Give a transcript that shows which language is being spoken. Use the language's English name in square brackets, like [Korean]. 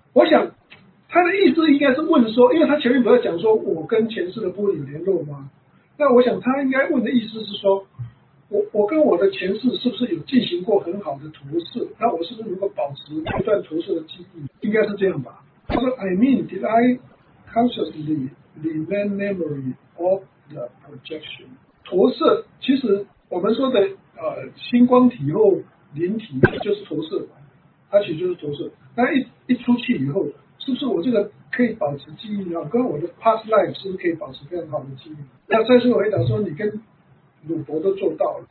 [Chinese] 我想他的意思应该是问说，因为他前面不是讲说我跟前世的部分有联络吗？那我想他应该问的意思是说，我跟我的前世是不是有进行过很好的投射，那我是不是能够保持这段投射的记忆，应该是这样吧。 [English] 他说 I mean did I consciously remain memory of the projection。 [Chinese] 投射其实我们说的星光体或灵体就是投射，它其实就是投射。那 一出去以后，是不是我这个可以保持记忆呢？跟我的 past life 是不是可以保持非常好的记忆？那再次回答说，你跟鲁伯都做到了。